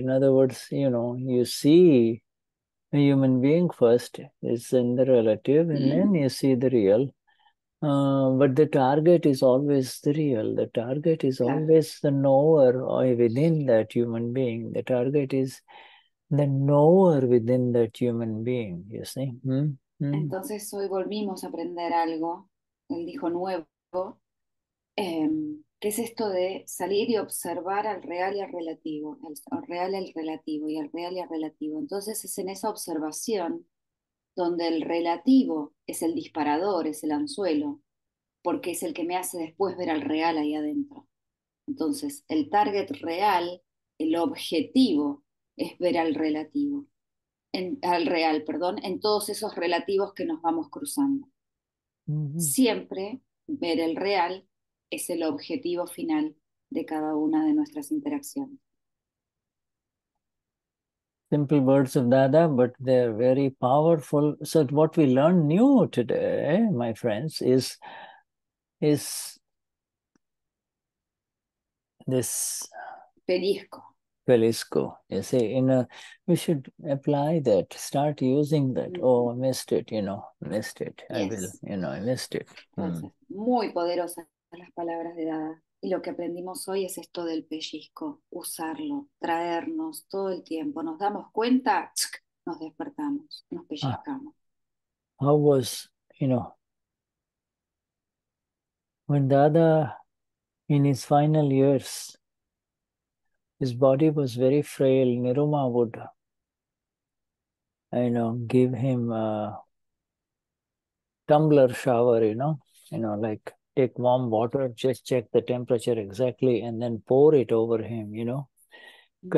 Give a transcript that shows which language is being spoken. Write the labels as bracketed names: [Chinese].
[English] In other words, you know, you see a human being first, it's in the relative, and then you see the real. But the target is always the real. The target is always the knower or within that human being. The target is the knower within that human being, you see. [Spanish] Entonces hoy volvimos a aprender algo, él dijo nuevo, que es esto de salir y observar al real y al relativo, al real y al relativo, y al real y al relativo. Entonces es en esa observación donde el relativo es el disparador, es el anzuelo, porque es el que me hace después ver al real ahí adentro. Entonces, el target real, el objetivo, es ver al relativo, al real, perdón, en todos esos relativos que nos vamos cruzando. Siempre ver el real es el objetivo final de cada una de nuestras interacciones. [English] Simple words of Dada, but they're very powerful. So what we learn new today, my friends, is this pellizco. Pellizco, you see, you know, we should apply that, start using that. Mm-hmm. Oh, I missed it, you know, missed it. Yes. I will, you know, I missed it. [Spanish] Entonces, muy poderosas las palabras de Dada. Y lo que aprendimos hoy es esto del pellizco, usarlo, traernos todo el tiempo. Nos damos cuenta, nos despertamos, nos pellizcamos. Ah. [English] How was, you know, when Dada, in his final years, his body was very frail. Niruma would, you know, give him a tumbler shower, you know, like take warm water, just check the temperature exactly, and then pour it over him, you know, mm-hmm.